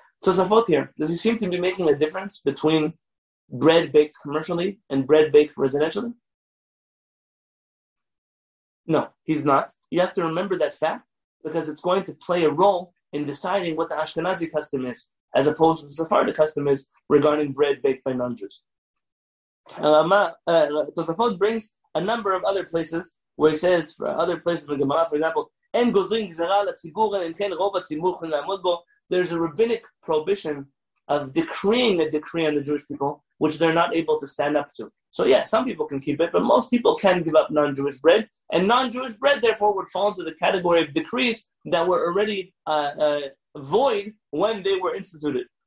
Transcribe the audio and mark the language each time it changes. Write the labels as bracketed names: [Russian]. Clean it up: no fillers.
[English] So Tosafot here, does he seem to be making a difference between bread baked commercially and bread baked residentially? No, he's not. You have to remember that fact because it's going to play a role in deciding what the Ashkenazi custom is as opposed to the Sephardic custom is regarding bread baked by non-Jews. Tosafot brings a number of other places where he says, for other places in the Gemara, for example, [Hebrew] אין גוזרים גזרה לציבור אלא אם כן רוב הציבור יכולים לעמוד בו. [English] There's a rabbinic prohibition of decreeing a decree on the Jewish people, which they're not able to stand up to. So yeah, some people can keep it, but most people can give up non-Jewish bread. And non-Jewish bread, therefore, would fall into the category of decrees that were already void when they were instituted.